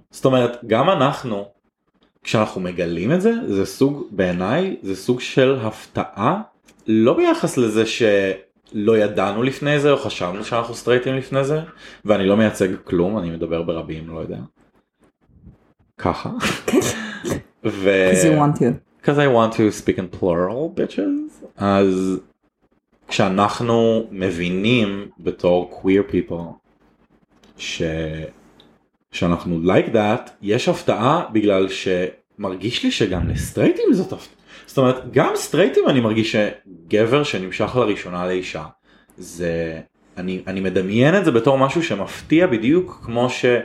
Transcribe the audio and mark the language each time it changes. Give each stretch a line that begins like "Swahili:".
Hebrew: זאת אומרת, גם אנחנו, כשאנחנו מגלים את זה, זה סוג, בעיניי, זה סוג של הפתעה, לא ביחס לזה שלא ידענו לפני זה, או חשבנו שאנחנו סטרייטים לפני זה, ואני לא מייצג כלום, אני מדבר ברבים, לא יודע. ככה.
English: Because you want to. Because I want to speak in plural, bitches.
Hebrew: אז כשאנחנו מבינים בתור queer people שאנחנו
English: like that,
Hebrew: יש הפתעה בגלל שמרגיש לי שגם לסטרייטים זאת הפתעה. זאת אומרת, גם סטרייטים אני מרגיש שגבר שנמשך לראשונה לאישה, זה, אני מדמיין את זה בתור משהו שמפתיע בדיוק כמו ש...